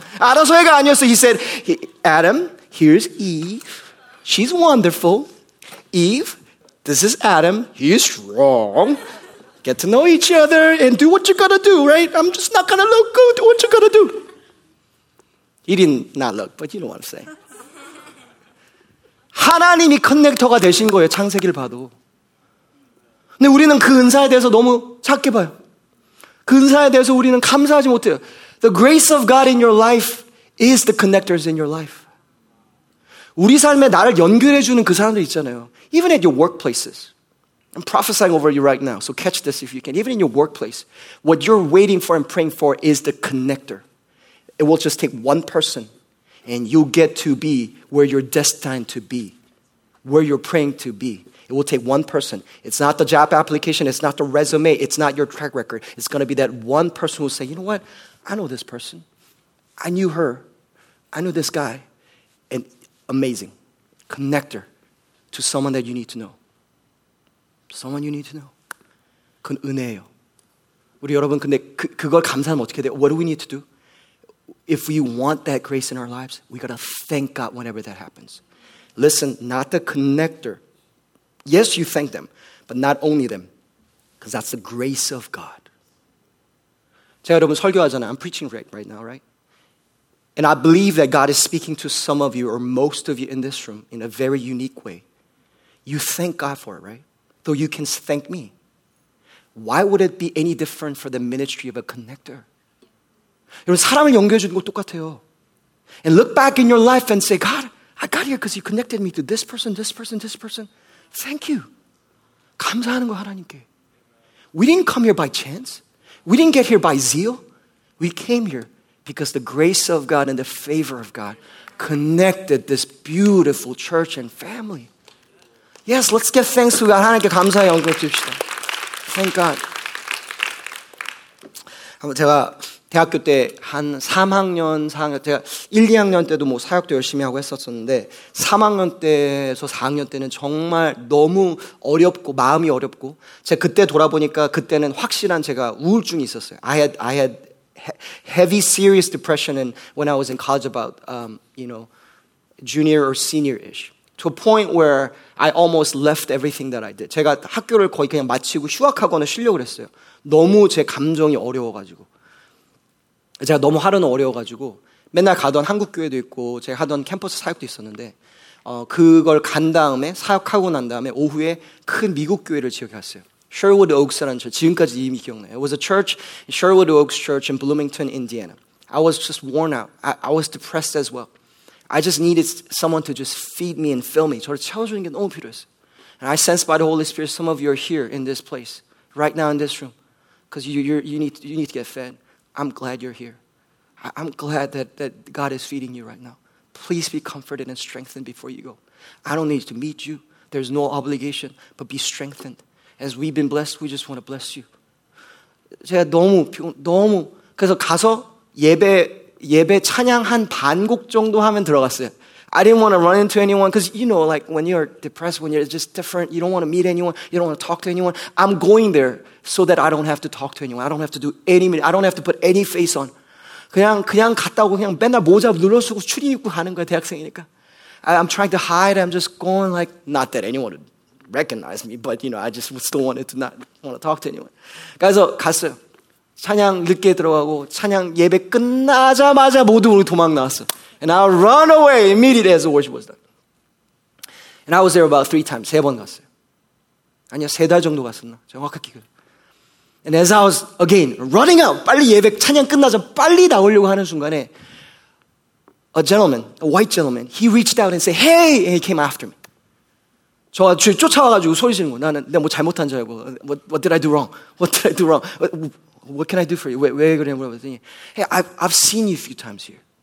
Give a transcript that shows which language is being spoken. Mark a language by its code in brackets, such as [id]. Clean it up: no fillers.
[ko] 알아서 해가 아니었어. [en] He said, Adam, here's Eve. She's wonderful. Eve, this is Adam. He's wrong. Get to know each other and do what you gotta do, right? I'm just not gonna look good. What you gotta do? He didn't not look, but you know what I'm saying. [ko] 하나님이 커넥터가 되신 거예요, 창세기를 봐도. 근데 우리는 그 은사에 대해서 너무 작게 봐요. 그 은사에 대해서 우리는 감사하지 못해요. [en] The grace of God in your life is the connectors in your life. [ko] 우리 삶에 나를 연결해주는 그 사람들 있잖아요. [en] Even at your workplaces. I'm prophesying over you right now, so catch this if you can. Even in your workplace, what you're waiting for and praying for is the connector. It will just take one person, and you'll get to be where you're destined to be, where you're praying to be. It will take one person. It's not the job application. It's not the resume. It's not your track record. It's going to be that one person who will say, you know what? I know this person. I knew her. I knew this guy. And amazing. Connector to someone that you need to know. Someone you need to know. [ko] 그건 은혜예요. 우리 여러분 근데 그걸 감사하면 어떻게 돼요? [en] What do we need to do? If we want that grace in our lives, we got to thank God whenever that happens. Listen, not the connector. Yes, you thank them, but not only them. Because that's the grace of God. [ko] 제가 여러분 설교하잖아요. [en] I'm preaching right now, right? And I believe that God is speaking to some of you or most of you in this room in a very unique way. You thank God for it, right? So you can thank me. Why would it be any different for the ministry of a connector? [ko] 여러분, 사람을 연결해 주는 거 똑같아요. [en] And look back in your life and say, God, I got here because you connected me to this person, this person, this person. Thank you. [ko] 감사하는 거 하나님께. [en] We didn't come here by chance. We didn't get here by zeal. We came here because the grace of God and the favor of God connected this beautiful church and family. Yes, let's give thanks to God. [ko] 하나님께 감사의 영광 드립시다. [en] Thank God. [ko] 제가 대학교 때 한 3학년, 4학년, 제가 1, 2학년 때도 뭐 사역도 열심히 하고 했었었는데 3학년 때에서 4학년 때는 정말 너무 어렵고 마음이 어렵고 제가 그때 돌아보니까 그때는 확실한 제가 우울증이 있었어요. [en] I had heavy serious depression when I was in college about, you know, junior or senior-ish. To a point where I almost left everything that I did. [ko] 제가 학교를 거의 그냥 마치고 휴학하거나 쉬려고 했어요. 너무 제 감정이 어려워가지고. 제가 너무 하루는 어려워가지고 맨날 가던 한국교회도 있고 제가 하던 캠퍼스 사역도 있었는데 그걸 간 다음에 사역하고 난 다음에 오후에 큰 미국 교회를 지역에 갔어요. Sherwood Oaks라는 저 지금까지 이미 기억나요. [en] It was a church, Sherwood Oaks Church in Bloomington, Indiana. I was just worn out. I was depressed as well. I just needed someone to just feed me and fill me. [ko] 저를 채워주는 게 너무 필요했어요. [en] And I sense by the Holy Spirit, some of you are here in this place, right now in this room, because you need to get fed. I'm glad you're here. I'm glad that God is feeding you right now. Please be comforted and strengthened before you go. I don't need to meet you. There's no obligation, but be strengthened. As we've been blessed, we just want to bless you. [ko] 제가 너무 그래서 가서 예배 찬양 한 반곡 정도 하면 들어갔어요. [en] I didn't want to run into anyone because, you know, like when you're depressed, when you're just different, you don't want to meet anyone, you don't want to talk to anyone. I'm going there so that I don't have to talk to anyone. I don't have to do any, I don't have to put any face on. [ko] 그냥 갔다 오고 그냥 맨날 모자 눌러 쓰고 추리 입고 가는 거야, 대학생이니까. [en] I'm trying to hide. I'm just going like, not that anyone would recognize me, but you know, I just still wanted to not want to talk to anyone. [ko] 그래서 갔어요. 찬양 늦게 들어가고 찬양 예배 끝나자마자 모두 우리 도망 나왔어. [en] And I run away immediately as the worship was done. And I was there about three times. [ko] 세 번 갔어요. 아니야, 세 달 정도 갔었나? 정확하게. [en] And as I was again running out, [ko] 빨리 예배 찬양 끝나자 빨리 나오려고 하는 순간에 [en] a gentleman, a white gentleman, he reached out and said, "Hey!" and he came after me. [ko] 저 쫓아와가지고 소리지는 거. 나는 내가 뭐 잘못한 줄 알고. [en] What did I do wrong? What did I do wrong? What can I do for you? [ko] 왜 그래? 물어봤더니, [en] "Hey, I've seen you a few times here.